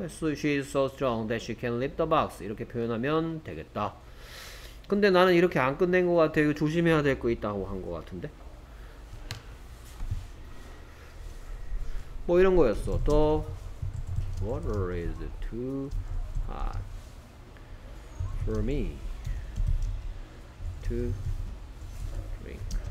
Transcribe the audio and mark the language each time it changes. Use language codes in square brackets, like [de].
[en] So she is so strong that she can lift the box. [ko] 이렇게 표현하면 되겠다. 근데 나는 이렇게 안 끝낸 것 같아. 이거 조심해야 될 거 있다고 한 것 같은데. 뭐 이런 거였어. [en] The water is too hot for me to drink.